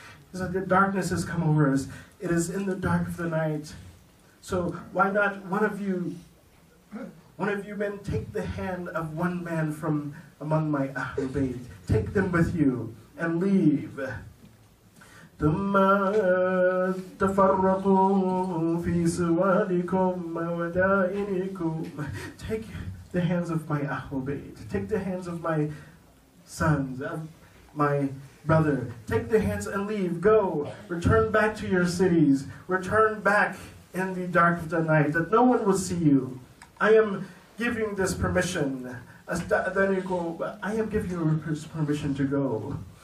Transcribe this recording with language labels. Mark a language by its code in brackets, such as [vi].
[en] He said, the darkness has come over us. It is in the dark of the night. So why not one of you men take the hand of one man from among my Ahlul Bayt. Take them with you and leave. [ar] ثم تفرقوا في سوادكم ودائنكم. [en] Take the hands of my Ahlul Bayt. Take the hands of my sons, of my brother. Take the hands and leave. Go. Return back to your cities. Return back in the dark of the night that no one will see you. I am giving this permission. I am giving you permission to go.